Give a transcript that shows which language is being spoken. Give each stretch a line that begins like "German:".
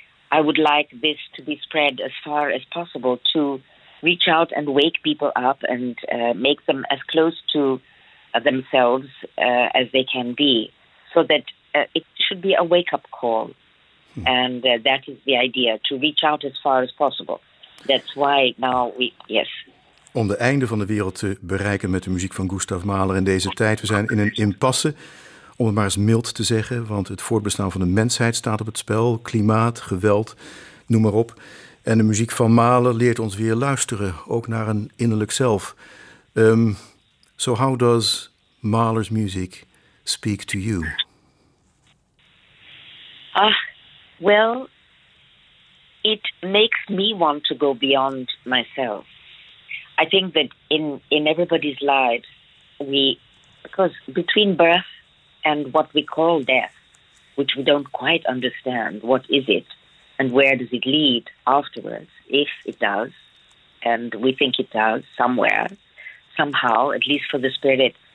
English: I would like this to be spread as far as possible to reach out and wake people up and make them as close to themselves as they can be, so that it should be a wake-up call. And that is the idea, to reach out as far as possible. That's why now we... Yes.
Dutch: Om de einde van de wereld te bereiken met de muziek van Gustav Mahler in deze tijd. We zijn in een impasse. Om het maar eens mild te zeggen, want het voortbestaan van de mensheid staat op het spel. Klimaat, geweld, noem maar op. En de muziek van Mahler leert ons weer luisteren, ook naar een innerlijk zelf.
English: So how does Mahler's music speak to you? Well, it makes me want to go beyond myself. I think that in everybody's lives, because between birth and what we call death, which we don't quite understand, what is it and where does it lead afterwards, if it does, and we think it does somewhere, somehow, at least for the spirit.